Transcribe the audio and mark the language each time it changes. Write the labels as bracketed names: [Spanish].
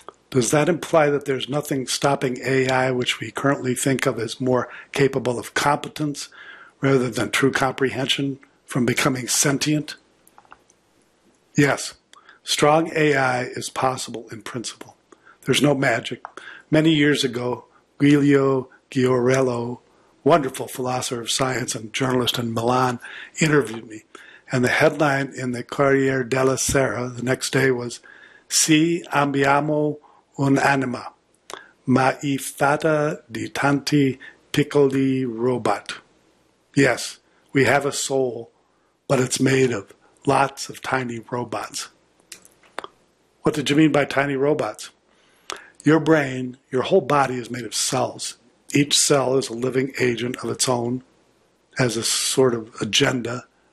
[English] Does that imply that there's nothing stopping AI, which we currently think of as more capable of competence rather than true comprehension, from becoming sentient? Yes, strong AI is possible in principle. There's no magic. Many years ago, Giulio Chiorello, wonderful philosopher of science and journalist in Milan, interviewed me. And the headline in the Corriere della Sera the next day was, [Italian] Si abbiamo un'anima, ma è fatta di tanti piccoli robot. [English] Yes, we have a soul, but it's made of lots of tiny robots. What did you mean by tiny robots? Your brain, your whole body is made of cells. Each cell is a living agent of its own, has a sort of agenda.